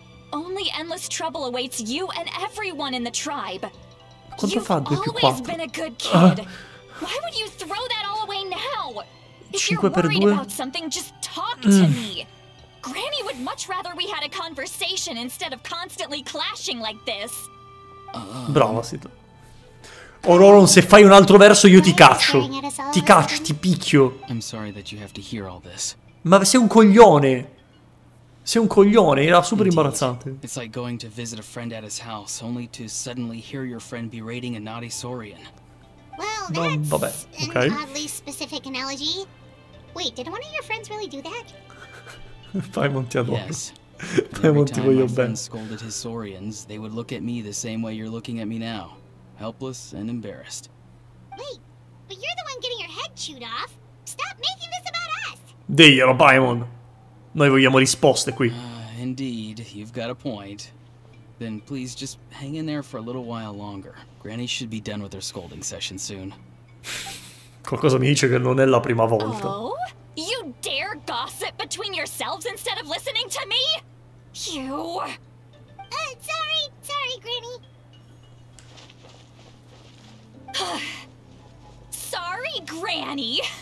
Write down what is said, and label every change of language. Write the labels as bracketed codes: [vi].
[en] Only endless trouble awaits you and everyone in the tribe. [it] Quanto fa 2 più 4? [en] You've always been a good kid. Why would you throw that all away now? If you're worried about something, just talk to me. Granny would much rather we had a conversation instead of constantly clashing like this. [it] Brava, sì. Auroron, se fai un altro verso io ti caccio. Ti caccio, ti picchio. [en] I'm sorry that you have to hear all this. [it] Ma sei un coglione. Sei un coglione, era super imbarazzante. [en] It's like going to visit a friend at his house only to suddenly hear your friend berating a naughty Saurian. Well, that's vabbè, okay. An oddly specific analogy. Wait, did one of your friends really do that? [it] Paimon ti adoro. [en] Yes. [it] Paimon ti voglio bene. [en] Scolded his Saurians, they would look at me the same way you're looking at me now, helpless and embarrassed. Wait, but you're the one getting your head chewed off. Stop making this about us. [it] Diglielo, Paimon. Noi vogliamo risposte qui. [en] Indeed, you've got a point. Then please just hang in there for a little while longer. Granny should be done with her scolding session soon. [it] Qualcosa mi dice che non è la prima volta. [en] Oh? You dare gossip between yourselves instead of listening to me? You... Sorry, Granny. Sorry, Granny.